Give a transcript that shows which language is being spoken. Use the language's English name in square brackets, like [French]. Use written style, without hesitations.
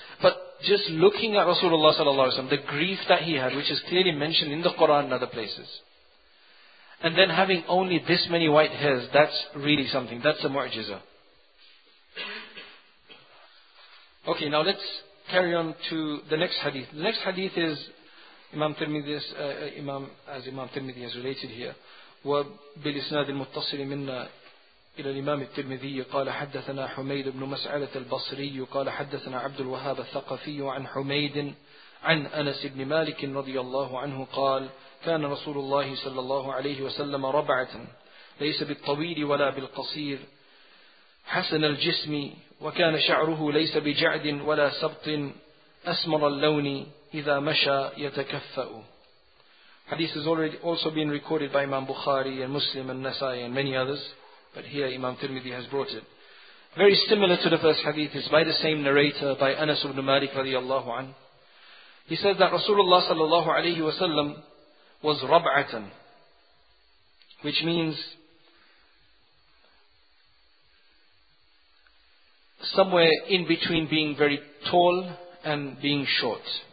[English] But just looking at Rasulullah sallallahu alaihi wasallam, the grief that he had, which is clearly mentioned in the Quran and other places, and then having only this many white hairs, that's really something. That's a mu'jiza. Okay, now let's carry on to the next hadith. The next hadith is Imam Tirmidhi, as Imam Tirmidhi has related here, [Arabic] وَبِالْإِسْنَادِ الْمُتَّصِلِ مِنَّا إلى الإمام الترمذي قال حدثنا حميد بن مسعلة البصري قال حدثنا عبد الوهاب الثقفي عن حميد عن أنس بن مالك رضي الله عنه قال كان رسول الله صلى الله عليه وسلم ربعة ليس بالطويل ولا بالقصير حسن الجسم وكان شعره ليس بجعد ولا سبط أسمر اللون إذا مشى يتكفأ. [English] Hadith has already also been recorded by Imam Bukhari and Muslim and Nasai and many others. But here Imam Tirmidhi has brought it. Very similar to the first hadith, is by the same narrator, by Anas ibn Malik radiallahu an. He says that Rasulullah sallallahu alayhi wa sallam was rab'atan, which means somewhere in between being very tall and being short.